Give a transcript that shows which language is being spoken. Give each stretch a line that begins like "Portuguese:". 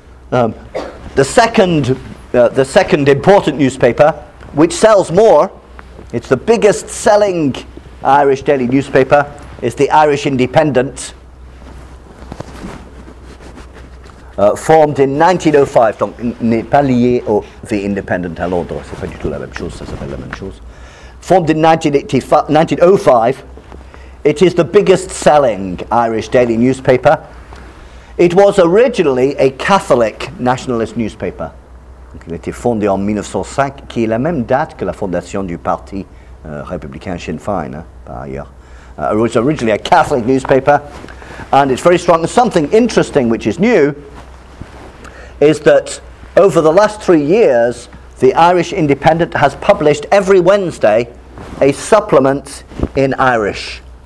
English: The second important newspaper, which sells more, it's the biggest selling Irish daily newspaper, is the Irish Independent, formed in 1905.
French: Donc, n'est pas lié au The Independent à l'ordre. C'est pas du tout la même chose. Ça s'appelle la même chose.
English: Formed in 1905. It is the biggest selling Irish daily newspaper. It was originally a Catholic nationalist newspaper.
French: Il a été fondé en 1905, qui est la même date que la fondation du parti républicain Sinn Féin, hein, par ailleurs.
English: It was originally a Catholic newspaper, and it's very strong. Something interesting, which is new, is that over the last 3 years, the Irish Independent has published every Wednesday a supplement in Irish.